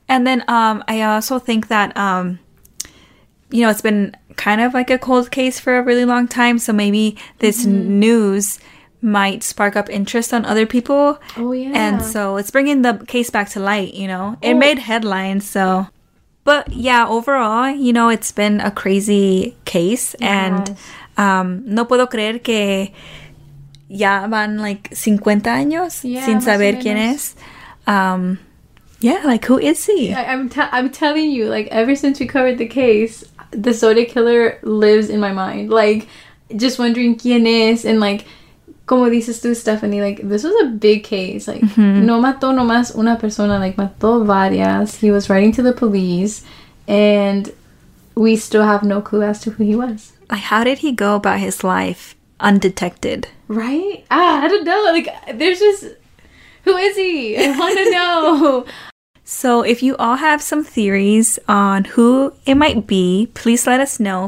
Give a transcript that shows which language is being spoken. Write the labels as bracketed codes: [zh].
[en] And then I also think that, you know, it's been kind of like a cold case for a really long time. So maybe this mm-hmm. news might spark up interest on other people. Oh, yeah. And so it's bringing the case back to light, you know? Oh. It made headlines, so... But, yeah, overall, you know, it's been a crazy case. Yes. [es] And no puedo creer que ya van, like, 50 años [en] yeah, sin saber quién es. Yeah, like, who is he? I'm telling you, like, ever since we covered the case, the Zodiac Killer lives in my mind. Like, just wondering [es] quién es [en] and, like, [es] como dices tú, [en] Stephanie, like, this was a big case. Like, mm-hmm. [es] no mató nomás una persona, like, mató varias. [en] He was writing to the police, and we still have no clue as to who he was. Like, how did he go about his life undetected? Right? Ah, I don't know. Like, there's just... Who is he? I want to know. So, if you all have some theories on who it might be, please let us know.